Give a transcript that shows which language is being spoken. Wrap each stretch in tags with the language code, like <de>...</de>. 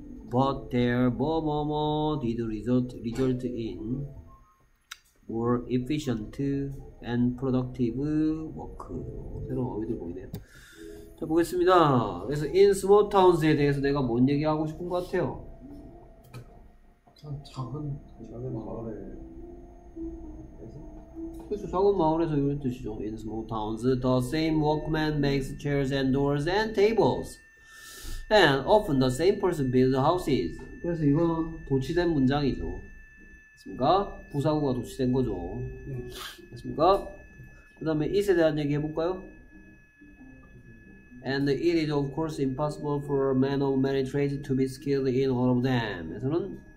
<en>But their 뭐뭐뭐 did result in more efficient and productive work.</en> <ko>새로운 어휘들 보이네요. 자, 보겠습니다. 그래서 in small towns에 대해서 내가 뭔 얘기하고 싶은 것 같아요? 작은 마을에. 그래서 작은 마을에서 이런 뜻이죠.</ko> <en>In small towns, the same workman makes chairs and doors and tables. And often the same person builds houses.</en> <ko>그래서 이건 도치된 문장이죠. 됐습니까? 부사구가 도치된 거죠. 네. 됐습니까? 그 다음에 it에 대한 얘기 해볼까요?</ko> <en>And it is of course impossible for a man of many trades to be skilled in all of them.</en> <ko>그래서는</ko>